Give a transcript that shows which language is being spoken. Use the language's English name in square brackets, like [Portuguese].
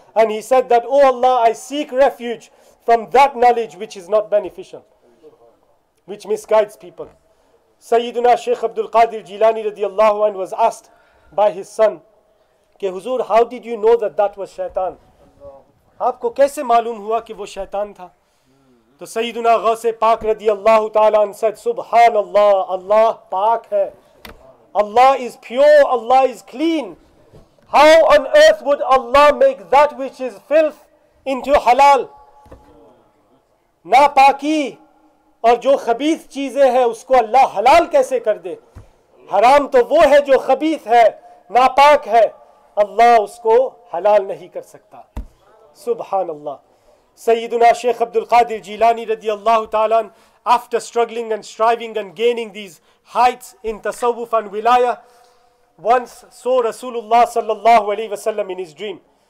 [English] And he said that, O Allah, I seek refuge from that knowledge which is not beneficial, which misguides people. Sayyiduna Shaykh Abdul Qadir Jilani radiallahu anhu was asked by his son, ke Huzoor, how did you know that was shaitan? [Urdu] Aapko kaise malum hua ki wo shaitan tha? تو سیدنا غوث پاک رضی اللہ تعالیٰ عنہ said سبحان اللہ اللہ پاک ہے [English] Allah is pure, Allah is clean. How on earth would Allah make that which is filth into halal? [Urdu] ناپاکی اور جو خبیث چیزیں ہیں اس کو اللہ حلال کیسے کر دے حرام تو وہ ہے جو خبیث ہے ناپاک ہے اللہ اس کو حلال نہیں کر سکتا سبحان اللہ سیدنا شیخ عبد القادر جیلانی رضی اللہ تعالیٰ [English] after struggling and striving and gaining these heights in tasawwuf and wilaya once saw Rasulullah sallallahu alayhi wa sallam in his dream